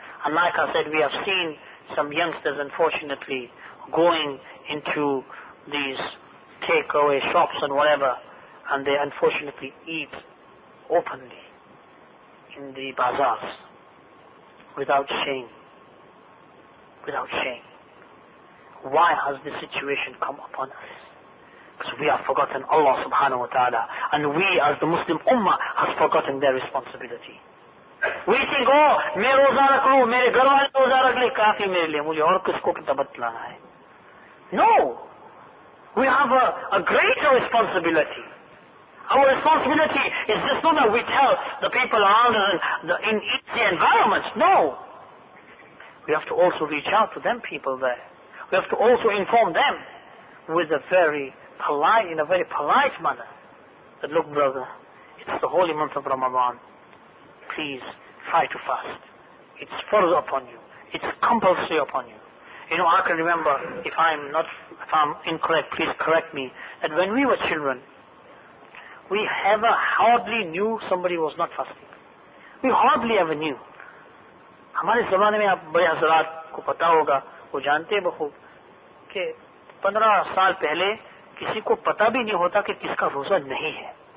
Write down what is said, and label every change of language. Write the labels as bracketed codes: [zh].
[en] And like I said, we have seen some youngsters, unfortunately, going into these takeaway shops and whatever, and they unfortunately eat openly in the bazaars without shame. Without shame. Why has this situation come upon us? Because we have forgotten Allah subhanahu wa ta'ala, and we as the Muslim Ummah has forgotten their responsibility. We think, oh, [ur] میرے روزہ رکھو, میرے گھر والے روزہ رکھ لے, کافی میرے لیے, مجھے اور کس کو کتنا بتلانا ہے. [en] No! We have a greater responsibility. Our responsibility is just not that we tell the people around us in the environment. No! We have to also reach out to them people there. We have to also inform them with a very polite, in a very polite manner. That look, brother, it's the holy month of Ramadan. Please, try to fast. It's farz upon you. It's compulsory upon you. You know, I can remember, if I'm incorrect, please correct me, that when we were children, we ever hardly knew somebody was not fasting. We hardly ever knew. [ur] ہمارے زمانے میں آپ بڑے حضرات کو پتا ہوگا, وہ جانتے ہیں بہت, کہ 15 سال پہلے کسی کو پتا بھی نہیں ہوتا کہ کس کا روزہ نہیں ہے.